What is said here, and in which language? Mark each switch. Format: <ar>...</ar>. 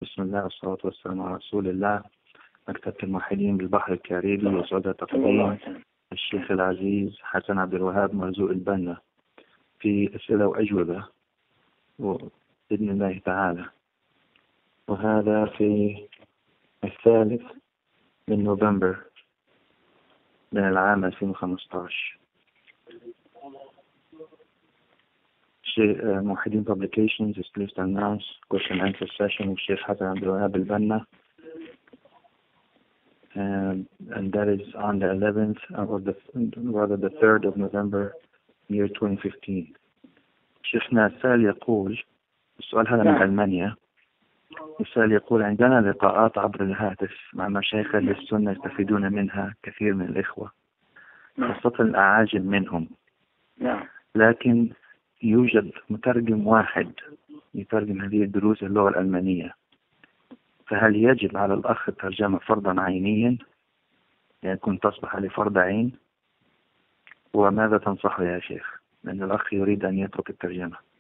<ar>الله والصلاة والسلام على رسول الله، مكتبة الموحدين بالبحر الكاريبي، وسعداء تقديم الشيخ العزيز حسن عبد الوهاب مرزوق البنا في أسئلة وأجوبة بإذن الله تعالى. وهذا في الثالث من نوفمبر من العام 2015.</ar> <en>موحدين Publications is pleased to announce question answer session with Sheikh Hassan Abdul Wahab al-Banna. And that is on the 11th or the 3rd of November year 2015.</en> <ar>Sheikh Nassal يقول، السؤال هذا من ألمانيا. السؤال يقول: عندنا لقاءات عبر الهاتف مع مشايخ السنة يستفيدون منها كثير من الإخوة، خاصة الأعاجم منهم، لكن يوجد مترجم واحد يترجم هذه الدروس اللغة الألمانية، فهل يجب على الأخ الترجمة فرضا عينيا يكون تصبح لفرض عين؟ وماذا تنصح يا شيخ؟ لأن الأخ يريد أن يترك الترجمة.</ar>